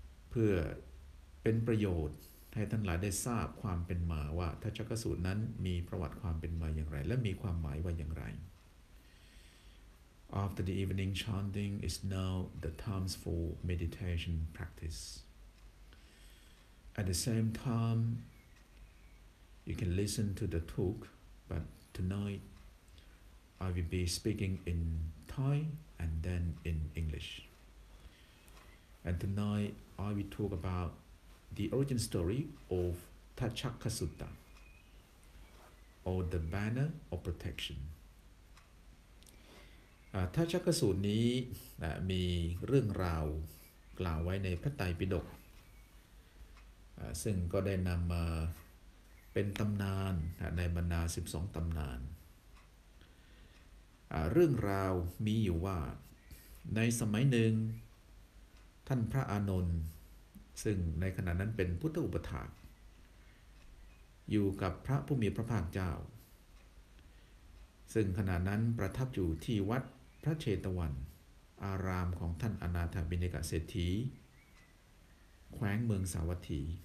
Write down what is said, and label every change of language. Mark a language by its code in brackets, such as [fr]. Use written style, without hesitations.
[th] เพื่อเป็นประโยชน์ให้ท่านหลายได้ทราบความเป็นมาว่าทัชชกสูตรนั้นมีประวัติความเป็นมาอย่างไรและมีความหมายว่าอย่างไร [en] After the evening chanting is now the time for meditation practiceAt the same time, you can listen to the talk, but tonight I will be speaking in Thai and then in English. And tonight I will talk about the origin story of Tachakasutta, or the banner of protection. [th] Tachakasutta นี้มีเรื่องราวกล่าวไว้ในพระไตรปิฎกซึ่งก็ได้นำมาเป็นตำนานในบรรดา12ตำนาน เรื่องราวมีอยู่ว่าในสมัยหนึ่งท่านพระอานนท์ซึ่งในขณะนั้นเป็นพุทธอุปถากอยู่กับพระผู้มีพระภาคเจ้าซึ่งขณะนั้นประทับอยู่ที่วัดพระเชตวันอารามของท่านอนาถบิณฑิกเศรษฐีแขวงเมืองสาวัตถี